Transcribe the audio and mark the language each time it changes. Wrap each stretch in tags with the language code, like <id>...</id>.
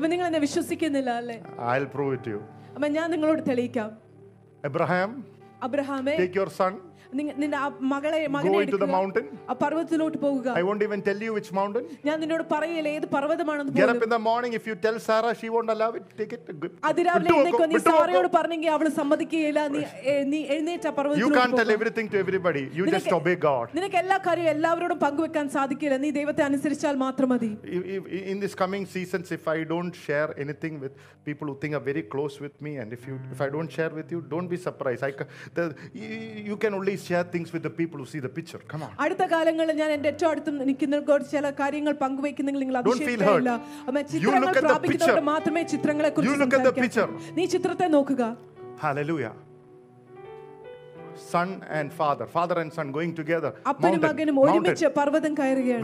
<ml>അപ്പോൾ നിങ്ങൾ എന്നെ വിശ്വസിക്കുന്നില്ല അല്ലേ?</ml> <en>I'll prove it to you.</en> <ml>അപ്പോൾ ഞാൻ നിങ്ങളോട് തെളിയിക്കാം.</ml> <en>Abraham,</en> <ml>അബ്രഹാമേ,</ml> <en>take your son.</en> <ml>നിന്റെ മകളെ പർവ്വതത്തിലോട്ട് പോകുക.</ml> <en>I won't even tell you which mountain.</en> <ml>ഞാൻ നിന്നോട് പറയില്ല ഏത് പർവ്വതമാണെന്ന് പോലും.</ml> <en>Get up in the morning, if you tell Sarah she won't allow it, take it.</en> <ml>അതിരാവിലെ നിന്നോട് നീ സാറയോട് പറഞ്ഞെങ്കിൽ അവൾ സമ്മതിക്കില്ല. നീ എഴുന്നേറ്റ് ആ പർവ്വതത്തിലോട്ട്</ml> <en>പോകുക. You can't tell everything to everybody. You just obey God.</en> <ml>നിനക്ക് എല്ലാ കാര്യവും എല്ലാവരോടും പങ്കുവെക്കാൻ സാധിക്കില്ല. നീ ദൈവത്തെ അനുസരിച്ചാൽ മാത്രം മതി.</ml> <en>In this coming seasons, if I don't share anything with people who think are very close with me, and if I don't share with you, don't be surprised. You can only share things with the people who see the picture. Come on.</en> <ml>അടുത്ത കാലങ്ങളിൽ ഞാൻ എൻ്റെ അടുത്ത് നിൽക്കുന്നവരോട് ചില കാര്യങ്ങൾ പങ്കുവെക്കുന്നെങ്കിൽ നിങ്ങൾ അതിശയിക്കില്ല. ചിത്രങ്ങൾ പ്രാപിക്കുന്നവർ മാത്രമേ ചിത്രങ്ങളെ കുറിച്ച് സംസാരിക്കൂ. നീ ചിത്രത്തെ നോക്കുക.</ml> <en>Hallelujah. Son and father, father and son going together.</en> <ml>അപ്പനും മകനും ഒരുമിച്ച് പർവതം കയറുകയാണ്.</ml>